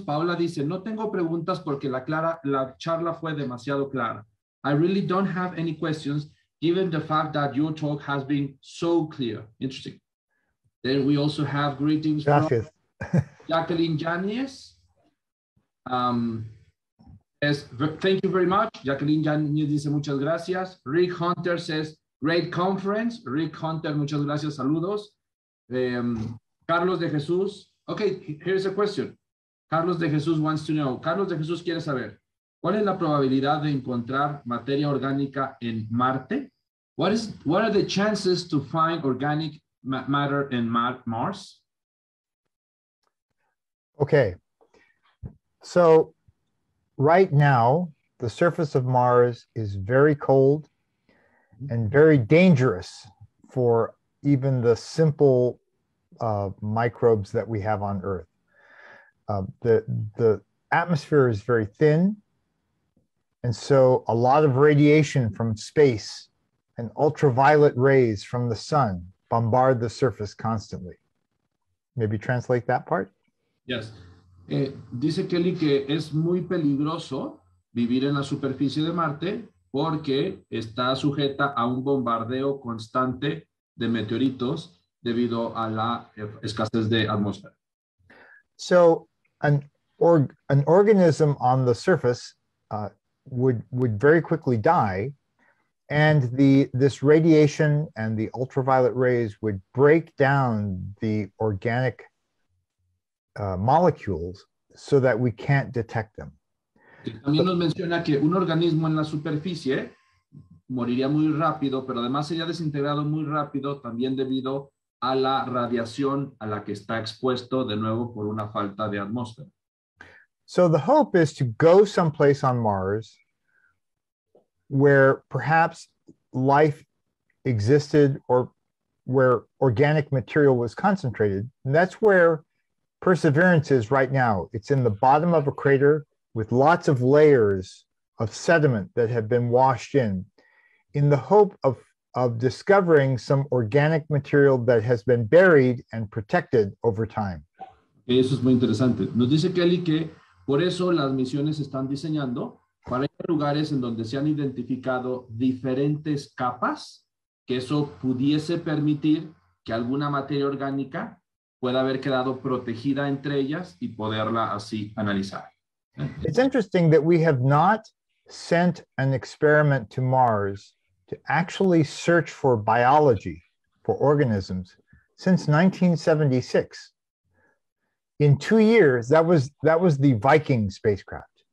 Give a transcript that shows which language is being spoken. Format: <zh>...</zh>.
<es>Paola dice, no tengo preguntas porque la charla fue demasiado clara.</es> <en>I really don't have any questions, given the fact that your talk has been so clear. Interesting. Then we also have greetings.</en> <es>Gracias.</es> <en>From Jacqueline Yanez. Thank you very much.</en> <es>Jacqueline Yanez dice, muchas gracias. Rick Hunter</es> <en>says, great conference.</en> <es>Rick Hunter, muchas gracias. Saludos. Carlos de Jesús.</es> <en>Okay, here's a question. Carlos de Jesús wants to know.</en> <es>Carlos de Jesús quiere saber, ¿Cuál es la probabilidad de encontrar materia orgánica en Marte?</es> <en>What are the chances to find organic matter in Mars? Okay. So right now, the surface of Mars is very cold and very dangerous for even the simple microbes that we have on Earth. The atmosphere is very thin, and so a lot of radiation from space and ultraviolet rays from the sun bombard the surface constantly. Maybe translate that part? Yes.</en> <es>Dice Kelly que es muy peligroso vivir en la superficie de Marte porque está sujeta a un bombardeo constante de meteoritos debido a la escasez de atmósfera.</es> <en>So an organism on the surface would very quickly die, and this radiation and the ultraviolet rays would break down the organic molecules so that we can't detect them.</en> <es>También nos menciona que un organismo en la superficie moriría muy rápido, pero además sería desintegrado muy rápido también debido a la radiación a la que está expuesto de nuevo por una falta de atmósfera.</es> <en>So the hope is to go someplace on Mars where perhaps life existed or where organic material was concentrated. And that's where Perseverance is right now. It's in the bottom of a crater with lots of layers of sediment that have been washed in the hope of discovering some organic material that has been buried and protected over time.</en> <es>Eso es muy interesante. Nos dice Kelly que por eso las misiones están diseñando para ir a lugares en donde se han identificado diferentes capas que eso pudiese permitir que alguna materia orgánica pueda haber quedado protegida entre ellas y poderla así analizar.</es> <en>It's interesting that we have not sent an experiment to Mars to actually search for biology, for organisms, since 1976. In 2 years, that was the Viking spacecraft.</en>